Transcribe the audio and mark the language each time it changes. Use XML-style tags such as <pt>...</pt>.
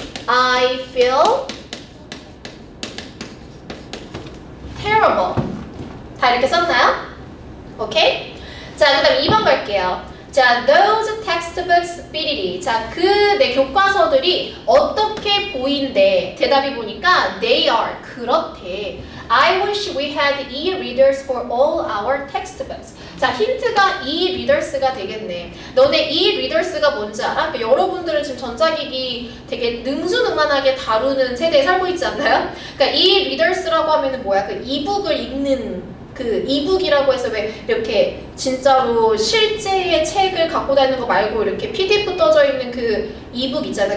<en>I feel terrible.</en> <ko>다 이렇게 썼나요? 오케이? 자, 그 다음 2번 갈게요. 자,</ko> <en>those textbooks speedily.</en> <ko>자, 그 내 교과서들이 어떻게 보인대? 대답이 보니까</ko> <en>they are</en> <ko>그렇대.</ko> <en>I wish we had e-readers for all our textbooks.</en> <ko>자, 힌트가 이 리더스가 되겠네. 너네 이 리더스가 뭔지 알아? 그러니까 여러분들은 지금 전자기기 되게 능수능란하게 다루는 세대에 살고 있지 않나요? 그러니까 이 리더스라고 하면은 뭐야? 그 이북을 읽는 그 이북이라고 해서 왜 이렇게 진짜로 실제의 책을 갖고 다니는 거 말고 이렇게 PDF 떠져 있는 그 이북 있잖아.</ko>